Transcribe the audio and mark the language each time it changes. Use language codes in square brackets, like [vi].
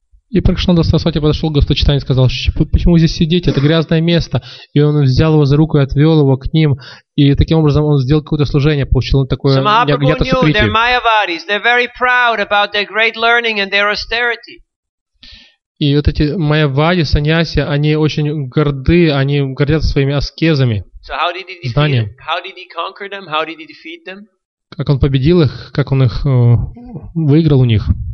[ru] И Пракшнанда Сарасвати подошел к Господу Чайтанье и сказал, почему вы здесь сидите, это грязное место. И он взял его за руку и отвел его к ним. И таким образом он сделал какое-то служение, получил такое агьята сукрити. [en] They're Mayavadis, they're very proud about their great learning and their austerity. [ru] И вот эти майявади, саньяси, они очень горды, они гордятся своими аскезами, [en] so how did he defeat [ru] знанием. [en] Them? How did he conquer them? How did he defeat them? [ru] Как он победил их, как он их выиграл у них.